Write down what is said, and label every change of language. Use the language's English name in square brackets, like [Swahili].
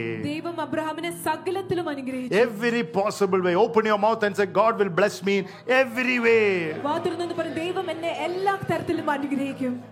[Malayalam] ദൈവം അബ്രഹാമിനെ സകലത്തിലും അനുഗ്രഹിച്ചു. [English] Every possible way. Open your mouth and say, God will bless me in every way. [Malayalam] വാതുരുന്നെന്ന് പറ, ദൈവം എന്നെ എല്ലാ തരത്തിലും അനുഗ്രഹിക്കും.